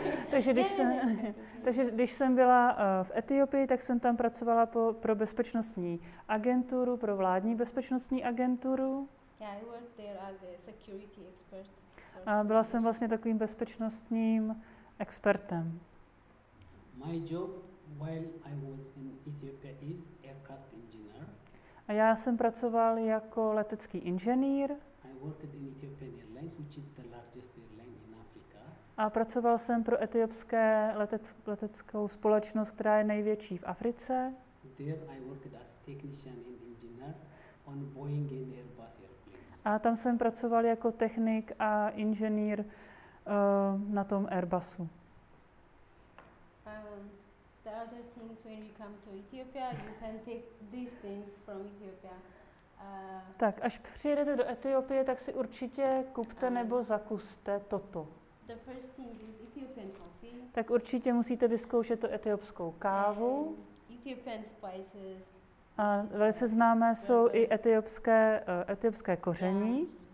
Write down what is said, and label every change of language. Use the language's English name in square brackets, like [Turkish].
[Czech] Takže když jsem byla v Etiopii, tak jsem tam pracovala pro bezpečnostní agenturu, pro vládní bezpečnostní agenturu. [English] Yeah, I worked there as a security expert. [Czech] A byla jsem vlastně takovým bezpečnostním expertem. [English] My job while I was in Ethiopia is aircraft engineer. [Czech] A já jsem pracoval jako letecký inženýr. [English] I worked in Ethiopian Airlines, which is the largest airline in Africa. [Czech] A pracoval jsem pro etiopské leteckou společnost, která je největší v Africe. [English] There I worked as technician and engineer on Boeing and Airbus. [Czech] A tam jsem pracoval jako technik a inženýr na tom Airbusu. [English] The other things when you come to Ethiopia, you can take these things from Ethiopia. [Czech] Tak až přijedete do Etiopie, tak si určitě kupte nebo zakuste toto. [English] The first thing is Ethiopian coffee. [Czech] Tak určitě musíte vyzkoušet tu etiopskou kávu. [English] Ethiopian spices. [Czech] A velice známé jsou i etiopské koření.